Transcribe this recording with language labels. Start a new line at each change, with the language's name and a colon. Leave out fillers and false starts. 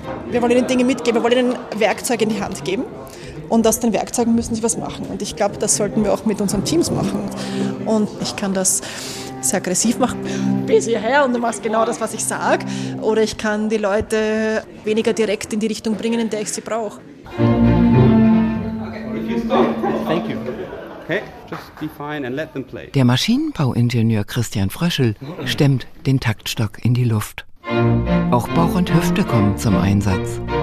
German: Wir wollen ihnen Dinge mitgeben, wir wollen ihnen Werkzeuge in die Hand geben. Und aus den Werkzeugen müssen sie was machen. Und ich glaube, das sollten wir auch mit unseren Teams machen. Und ich kann das sehr aggressiv machen. Bis hierher und du machst genau das, was ich sage. Oder ich kann die Leute weniger direkt in die Richtung bringen, in der ich sie brauche.
English: Thank you. Okay, just define and let them play.
German: Der Maschinenbauingenieur Christian Fröschel stemmt den Taktstock in die Luft. Auch Bauch und Hüfte kommen zum Einsatz.